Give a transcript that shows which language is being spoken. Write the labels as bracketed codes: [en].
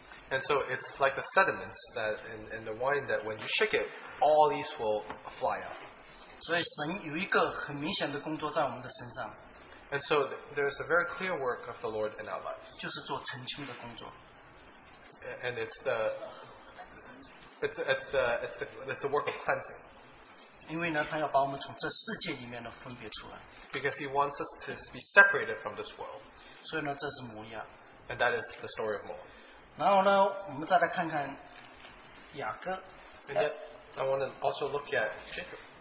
[en] And so it's like the sediments that in the wine that when you shake it, all these will fly out. [zh] 所以神有一个很明显的工作在我们的身上, [en] and so there's a very clear work of the Lord in our lives. [zh] 就是做澄清的工作, [en] and it's the work of cleansing. [zh] 因为呢, 祂要把我们从这世界里面呢分别出来, [en] because he wants us to be separated from this world. [zh] 所以呢, 这是摩押, [en] and that is the story of Moab. [zh] 然后呢, 我们再来看看雅各, [en] and yet I want to also look at Jacob.